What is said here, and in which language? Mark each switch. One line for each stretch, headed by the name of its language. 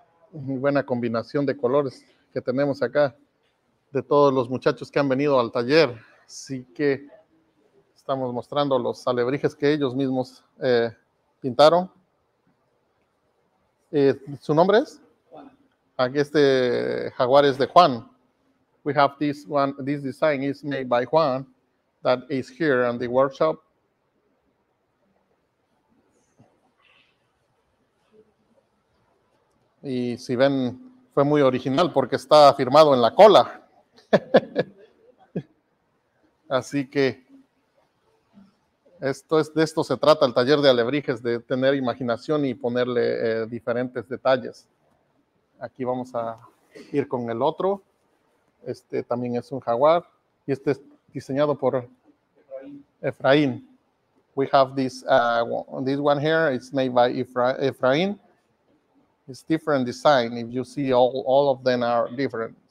Spanish: Muy buena combinación de colores que tenemos acá de todos los muchachos que han venido al taller. Así que estamos mostrando los alebrijes que ellos mismos pintaron. ¿Su nombre es? Juan. Aquí este jaguar es de Juan.
English: We have this one, this design is made by Juan that is here in the workshop.
Spanish: Y si ven, fue muy original porque está firmado en la cola. Así que esto es, de esto se trata el taller de alebrijes, de tener imaginación y ponerle diferentes detalles. Aquí vamos a ir con el otro. Este también es un jaguar. Y este es diseñado por Efraín.
English: We have this this one here. It's made by Efraín. It's different design. If you see, all of them are different.